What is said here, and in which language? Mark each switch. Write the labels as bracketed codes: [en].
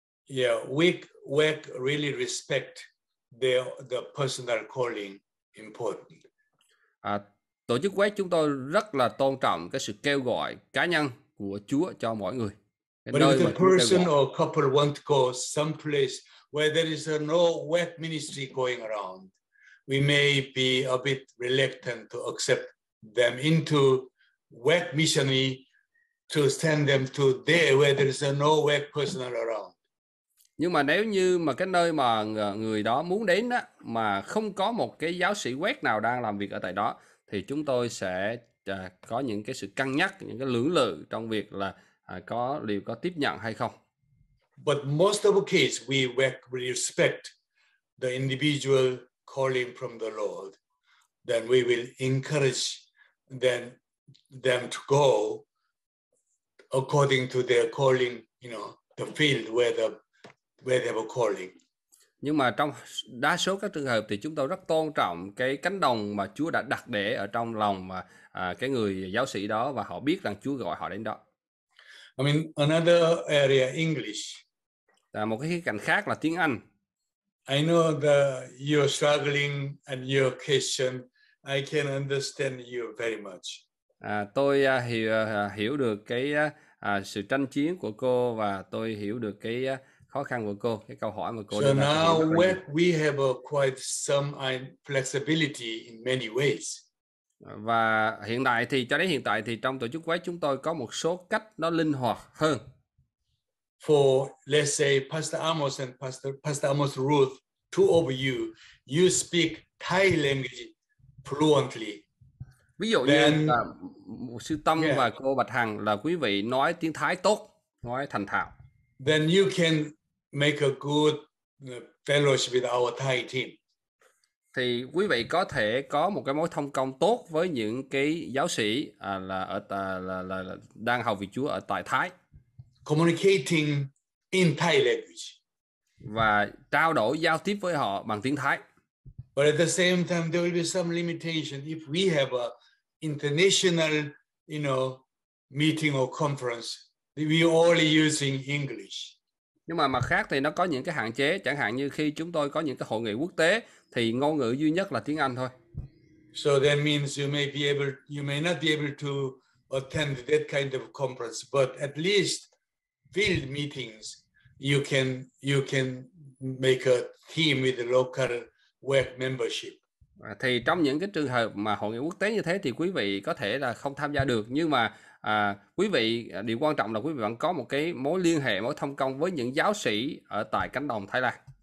[en] Yeah, WEC really respect the personal calling important. [vi] Tổ chức WEC chúng tôi rất là tôn trọng cái sự kêu gọi cá nhân của Chúa cho mọi người. [en] But if the person or couple want to go someplace where there is no WEC ministry going around, we may be a bit reluctant to accept them into WEC missionary to send them to there where there is no WEC personnel around. [vi] Nhưng mà nếu như mà cái nơi mà người đó muốn đến á mà không có một cái giáo sĩ WEC nào đang làm việc ở tại đó, thì chúng tôi sẽ có những cái sự cân nhắc, những cái lưỡng lự trong việc là có liệu có tiếp nhận hay không. [en] But most of the case we WEC respect the individual calling from the Lord, then we will encourage them to go according to their calling, you know, the field where they have a calling. [vi] Nhưng mà trong đa số các trường hợp thì chúng tôi rất tôn trọng cái cánh đồng mà Chúa đã đặt để ở trong lòng mà cái người giáo sĩ đó, và họ biết rằng Chúa gọi họ đến đó. [en] I mean, another area, English. [vi] Một cái khía cạnh khác là tiếng Anh. [en] I know that you're struggling and your question, I can understand you very much. [vi] Tôi hiểu được cái sự tranh chiến của cô, và tôi hiểu được cái khó khăn của cô, cái câu hỏi mà cô. [en] So now we have quite some flexibility in many ways. [vi] Và hiện tại thì cho đến hiện tại thì trong tổ chức WEC chúng tôi có một số cách nó linh hoạt hơn. [en] For let's say Pastor Amos and Pastor Amos Ruth, two of you, you speak Thai language fluently. [vi] Ví dụ then, như là một sư Tâm và cô Bạch Hằng là quý vị nói tiếng Thái tốt, nói thành thạo. [en] Then you can make a good fellowship with our Thai team. [vi] Thì quý vị có thể có một cái mối thông công tốt với những cái giáo sĩ là đang học vị Chúa ở tại Thái. [en] Communicating in Thai language. [vi] Và trao đổi giao tiếp với họ bằng tiếng Thái. [en] But at the same time, there will be some limitation if we have a international, you know, meeting or conference. We only using English. [vi] Nhưng mà mặt khác thì nó có những cái hạn chế. Chẳng hạn như khi chúng tôi có những cái hội nghị quốc tế, thì ngôn ngữ duy nhất là tiếng Anh thôi. [en] So that means you may not be able to attend that kind of conference, but at least field meetings, you can make a team with the local WEC membership. [vi] Thì trong những cái trường hợp mà hội nghị quốc tế như thế thì quý vị có thể là không tham gia được, nhưng mà quý vị, điều quan trọng là quý vị vẫn có một cái mối liên hệ, mối thông công với những giáo sĩ ở tại cánh đồng Thái Lan.